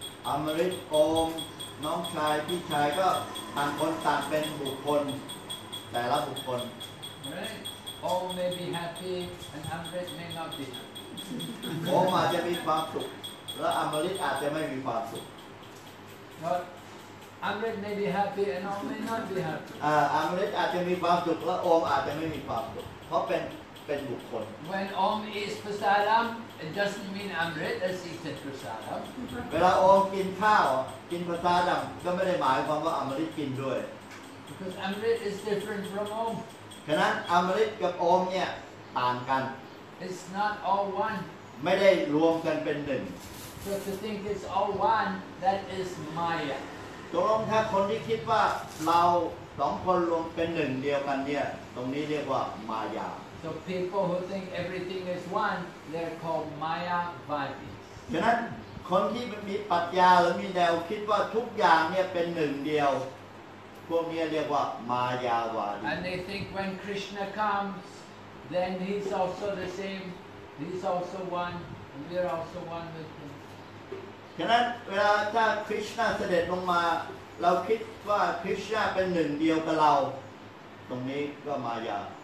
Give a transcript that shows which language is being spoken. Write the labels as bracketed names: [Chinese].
[Thai] Amrit Om น้องชายพี่ชายก็ต่างคนต่างเป็นบุคคลแต่ละบุคคล [English] right Om may be happy and Amrit may not be happy [Thai] Om อาจจะมีความสุขและ Amrit อาจจะไม่มีความสุข [English] but Amrit may be happy and Om may not be happy [Thai] Amrit อาจจะมีความสุขและ Om อาจจะไม่มีความสุขเพราะเป็นบุคคล [English] When Om eats prasadam it doesn't mean Amrit has eaten prasadam [Thai] เวลาองกินข้าวกินprasadamก็ไม่ได้หมายความว่าอมฤตกินด้วย [English] Because Amrit is different from Om [Thai] ฉะนั้นอมฤตกับองเนี่ยต่างกัน [English] It's not all one [Thai] ไม่ได้รวมกันเป็นหนึ่ง [English] So to think it's all one that is Maya [Thai] ตรงถ้าคนที่คิดว่าเราสองคนรวมเป็นหนึ่งเดียวกันเนี่ยตรงนี้เรียกว่ามายา [English] So people who think everything is one, they're called Mayavadis. [Thai] ฉะนั้นคนที่มีปรัชญาหรือมีแนวคิดว่าทุกอย่างเนี่ยเป็นหนึ่งเดียวพวกนี้เรียกว่ามายาวาดี [English] And they think when Krishna comes, then he's also the same. He's also one. We're also one with him. [Thai] ฉะนั้นเวลาถ้าคริสต์เสด็จลงมาเราคิดว่าคริสต์เป็นหนึ่งเดียวกับเราตรงนี้ก็มายา